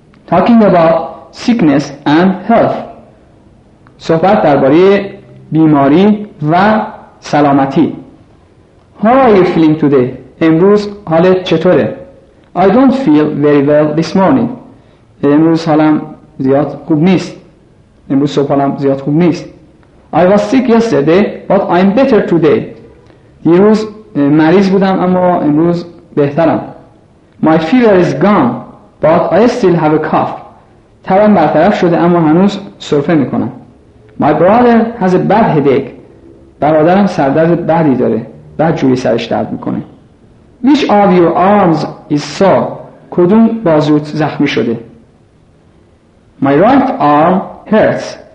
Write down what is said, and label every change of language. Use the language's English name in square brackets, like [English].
[English] talking about sickness and health [Persian] صحبت درباره بیماری و سلامتی. [English] How are you feeling today? [Persian] امروز حالت چطوره؟ [English] I don't feel very well this morning. [Persian] امروز حالم زیاد خوب نیست. امروز صبح حالم زیاد خوب نیست. [English] I was sick yesterday, but I'm better today. [Persian] دیروز مریض بودم اما امروز بهترم. [English] My fever is gone, but I still have a cough. [Persian] تبم برطرف شده اما هنوز سرفه میکنم. [English] My brother has a bad headache. [Persian] برادرم سردرد بدی داره. بعد جوری سرش درد میکنه. [English] Which of your arms is sore? [Persian] کدوم بازوت زخمی شده؟ [English] My right arm hurts.